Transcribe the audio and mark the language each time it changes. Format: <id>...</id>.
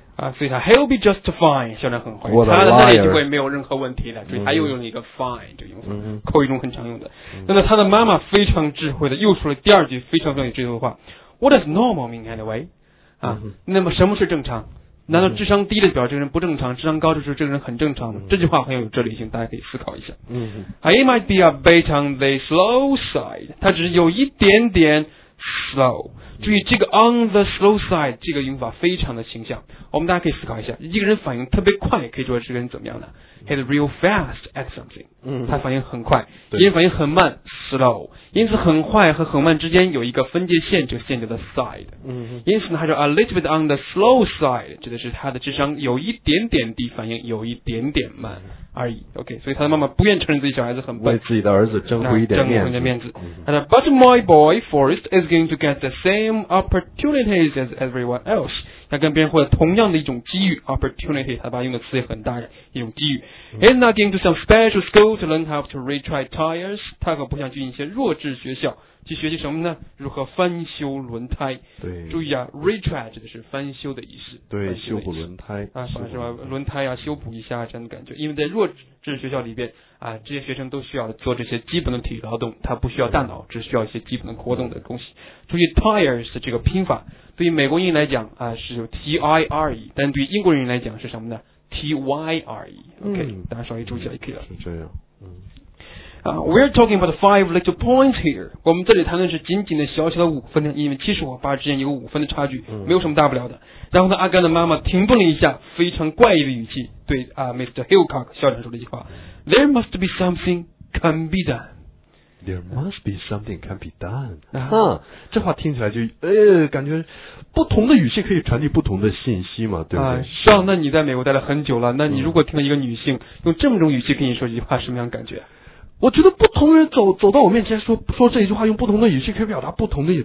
<zh>啊，所以他</zh> <en>he'll be just fine，</en> <zh>校长很坏，他的那里就会没有任何问题的，所以他又用了一个 fine 这个用法，口语中很常用的。那么他的妈妈非常智慧的，又说了第二句非常非常有智慧的话 ，</zh> <en>What is normal mean anyway？</en> <zh>啊，那么什么是正常？难道智商低的表示这个人不正常，智商高就是这个人很正常吗？这句话很有哲理性，大家可以思考一下。嗯</zh> <en>，He might be a bit on the slow side，</en> <zh>他只是有一点点</zh> <en>slow。</en> <zh>注意这个</zh> <en>on the slow side</en> <zh>这个用法非常的形象，我们大家可以思考一下，一个人反应特别快可以说这个人怎么样呢？</zh> <en>He's real fast at something、嗯、</en> <zh>他反应很快，一人反应很慢 slow， 因此很快和很慢之间有一个分界线，这个线叫做 side、嗯、因此呢他说</zh> <en>a little bit on the slow side</en> <zh>指的是他的智商有一点点低，反应有一点点慢而已。 OK， 所以他的妈妈不愿承认自己小孩子很笨，为自己的儿子争回一点面</zh> <en>子、But my boy Forrest is going to get the same opportunities as everyone else，</en> <zh>他跟别人获得同样的一种机遇</zh> <en>opportunity，</en> <zh>他把用的词也很大一种机遇、</zh> <en>He's not going to some special school to learn how to retread tires，</en> <zh>他可不想去一些弱智学校去学习什么呢？如何翻修轮胎？对，注意啊 ，retread 指的是翻修的意思。对，修补轮胎啊，反正什么轮胎啊，修补一下这样的感觉。因为在弱智学校里边啊，这些学生都需要做这些基本的体力劳动，他不需要大脑，只需要一些基本的活动的东西。注意 tires 这个拼法，对于美国人来讲啊是 T I R E， 但对于英国人来讲是什么呢 ？T Y R E。 OK，、大家稍微注意一下就可以了。是这样，</zh> <en>We're talking about five little points here.</en> <zh>我们这里谈论是仅仅的小小的五分，因为七十和八之间有个五分的差距，没有什么大不了的。然后呢，阿甘的妈妈停顿了一下，非常怪异的语气对啊 ，Mr.</zh> <en>Hillcock</en> <zh>校长说了一句话</zh> <en>：There must be something can be done. There must be something can be done、啊、</en> <zh>这话听起来就感觉不同的语气可以传递不同的信息嘛，对不对、是啊，那你在美国待了很久了，那你如果听到一个女性用这么种语气跟你说这句话，什么样感觉？我觉得不同人走到我面前说这一句话，用不同的语气可以表达不同的意思。</zh>